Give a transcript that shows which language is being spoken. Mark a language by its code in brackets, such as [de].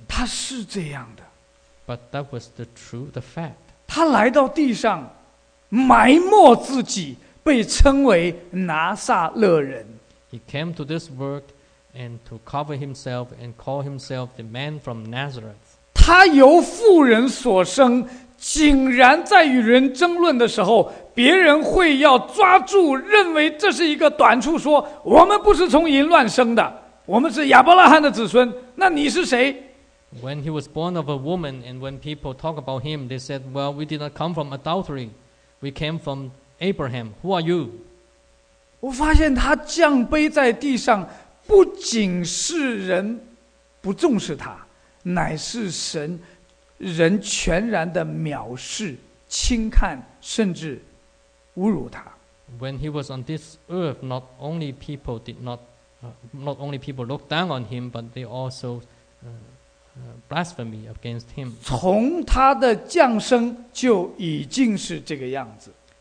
[zh] 他是这样的。 [en] But that was the truth, the fact. [zh] 他来到地上，埋没自己。被称为拿撒勒人。 [en] He came to this world and to cover himself and call himself the man from Nazareth. [zh] 他由妇人所生，竟然在与人争论的时候，别人会要抓住，认为这是一个短处，说我们不是从淫乱生的，我们是亚伯拉罕的子孙，那你是谁？ [en] When he was born of a woman and when people talk about him, they said, well, we did not come from adultery. We came from Abraham, who are you? [zh] 我发现他降卑在地上，不仅是人不重视他，乃是神人全然的藐视、轻看，甚至侮辱他。 [en] When he was on this earth, not only people did not only people looked down on him, but they also blasphemy against him. [zh] 从他的降生就已经是这个样子。